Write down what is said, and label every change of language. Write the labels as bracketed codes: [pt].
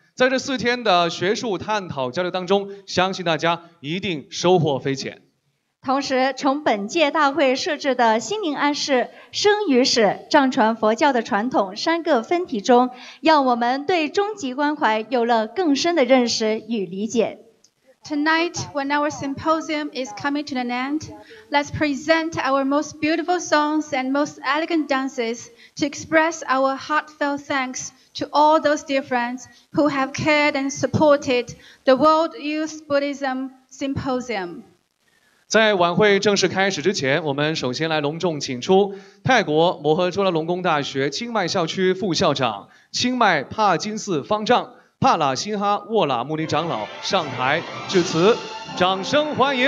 [zh] 在这四天的学术探讨交流当中，相信大家一定收获匪浅。同时从本届大会设置的心灵暗示、生与死、藏传佛教的传统三个分题中，让我们对终极关怀有了更深的认识与理解。 [en] Tonight, when our symposium is coming to an end, let's present our most beautiful songs and most elegant dances to express our heartfelt thanks to all those dear friends who have cared and supported the World Youth Buddhism Symposium. [zh] 在晚会正式开始之前，我们首先来隆重请出泰国摩诃州拉隆功大学清迈校区副校长清迈帕金寺方丈帕拉辛哈沃拉穆尼长老上台致辞，掌声欢迎。